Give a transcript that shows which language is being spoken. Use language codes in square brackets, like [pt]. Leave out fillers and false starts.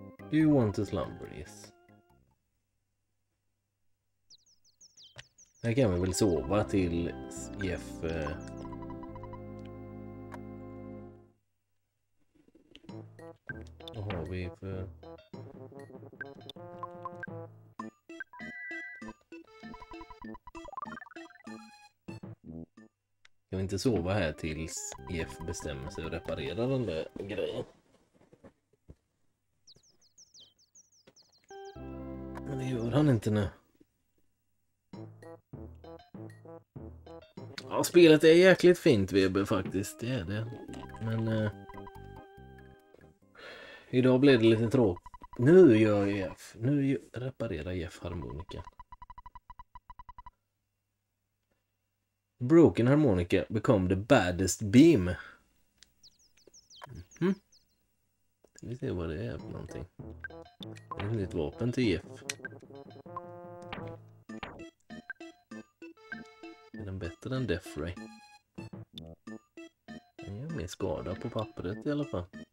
[en] Do you want a slumber, yes. [sv] Här kan vi väl sova till Jeff. Vad har vi för... Jag vill inte sova här tills EF bestämmer sig och reparerar den där grejen. Men det gör han inte nu. Ja, spelet är jäkligt fint, Webe, faktiskt. Det är det. Men... idag blev det lite tråk. Nu gör EF. Nu reparerar EF harmonika. [en] Broken harmonica become the baddest beam. [sv] Vi ser vad det är för någonting. Det är ett nytt vapen till Jeff. Är den bättre än Death Ray? Den gör mer skada på pappret i alla fall.